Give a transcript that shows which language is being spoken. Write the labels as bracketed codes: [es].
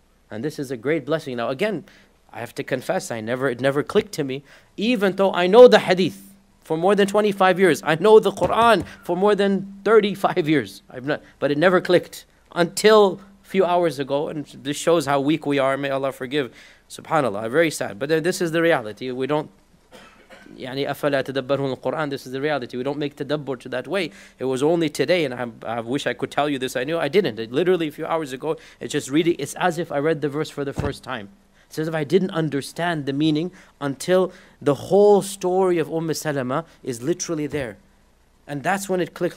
[en] And this is a great blessing. Now again, I have to confess, it never clicked to me, even though I know the hadith for more than 25 years. I know the Quran for more than 35 years. But it never clicked until a few hours ago. And this shows how weak we are. May Allah forgive. SubhanAllah, very sad. But this is the reality. We don't, [ar] يعني أفلا تدبرون القرآن. [en] This is the reality. We don't make tadabbur to that way. It was only today, and I wish I could tell you this. I knew I didn't. Literally a few hours ago, it's just reading. It's as if I read the verse for the first time. It's as if I didn't understand the meaning until the whole story of Umm Salama is literally there, and that's when it clicked.